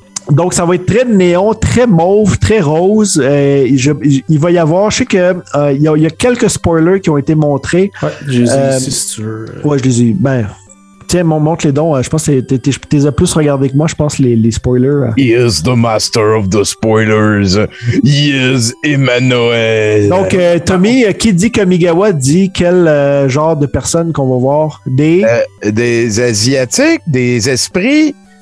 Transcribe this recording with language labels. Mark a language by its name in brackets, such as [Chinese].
[French] Donc, ça va être très néon, très mauve, très rose. Il va y avoir, je sais que il y a quelques spoilers qui ont été montrés. Ouais, je les ai Si tu veux. Ouais, je les ai. Ben. Tiens, montre les dons. Je pense que tu les as plus regardés que moi, je pense, les spoilers. [English] He is the master of the spoilers. He is Emmanuel. [French] Donc, Tommy, qui dit Kamigawa, dit quel genre de personnes qu'on va voir? Des Asiatiques, des esprits,